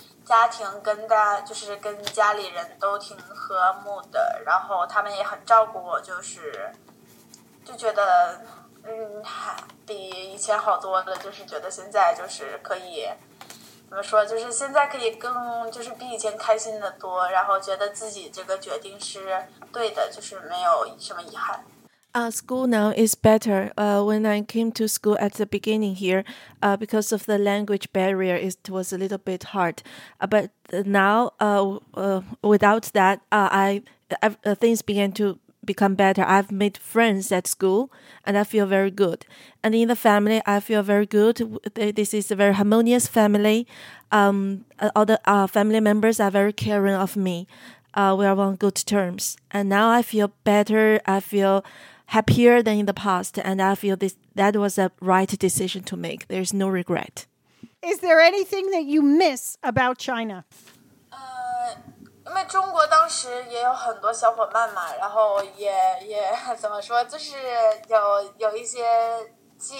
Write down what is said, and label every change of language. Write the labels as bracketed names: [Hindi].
[Chinese] 家庭跟家里人都挺和睦的, 然后他们也很照顾我, 就觉得比以前好多了, 就是觉得现在就是可以怎么说, 就是现在可以更比以前开心的多, 然后觉得自己这个决定是对的, 就是没有什么遗憾。 [English] School now is better. When I came to school at the beginning here, because of the language barrier, it was a little bit hard. But now, without that, things began to become better. I've made friends at school, and I feel very good. And in the family, I feel very good. This is a very harmonious family. All the family members are very caring of me. We are on good terms. And now I feel better. I feel... happier than in the past, and I feel that was a right decision to make. There's no regret. Is there anything that you miss about China? [Chinese] 因为中国当时也有很多小伙伴嘛, 然后也怎么说, 就是有一些...